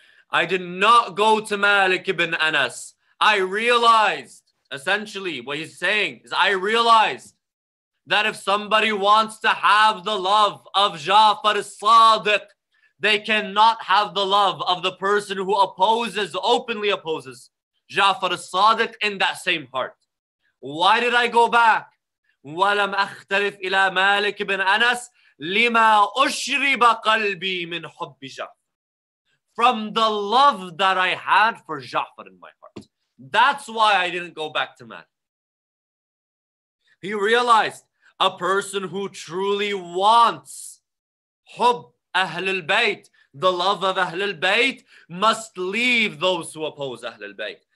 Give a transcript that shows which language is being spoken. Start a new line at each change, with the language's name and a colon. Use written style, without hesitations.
English: I did not go to Malik ibn Anas. I realized, essentially, what he's saying is I realized that if somebody wants to have the love of Ja'far al-Sadiq, they cannot have the love of the person who openly opposes Ja'far al-Sadiq in that same heart. Why did I go back?
Arabic: وَلَمْ أَخْتَلِفْ إِلَىٰ مَالِكِ ibn Anas لِمَا أُشْرِبَ قَلْبِي مِنْ حُبِّ جَعْفَرِ.
English: From the love that I had for Ja'far in my heart. That's why I didn't go back to Malik. He realized a person who truly wants Hub Ahlul Bayt, the love of Ahlul Bayt, must leave those who oppose Ahlul Bayt.